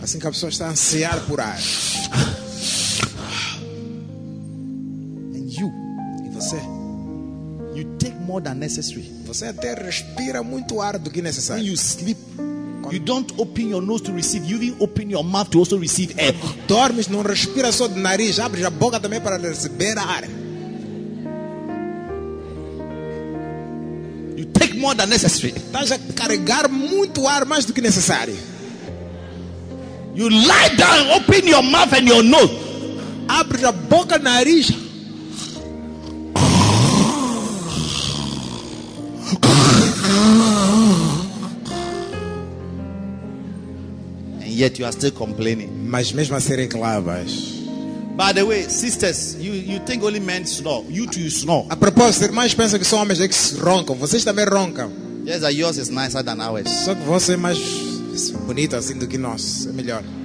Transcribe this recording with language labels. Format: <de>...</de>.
<pt>Assim que a pessoa está a ansiar por ar.</pt> <en>And you.</en> <pt>E você?</pt> <en>You take more than necessary.</en> <pt>Você até respira muito ar do que necessário.</pt> <en>When you sleep. You don't open your nose to receive. You even open your mouth to also receive air.</en> <pt>Dormes, não respira só de nariz. Abre a boca também para receber ar.</pt> <en>You take more than necessary.</en> <pt>Estás a carregar muito ar, mais do que necessário.</pt> <en>You lie down, open your mouth and your nose.</en> <pt>Abre a boca, nariz.</pt> <en>Yet you are still complaining.</en> <pt>Mas mesmo assim reclamas.</pt> <en>By the way, sisters, you think only men snore. You too snore.</en> <pt>A propósito, irmãs pensam que só homens é que roncam. Vocês também roncam.</pt> <en>Yes, that yours is nicer than ours.</en> <pt>Só que você é mais bonita assim do que nós. É melhor.</pt>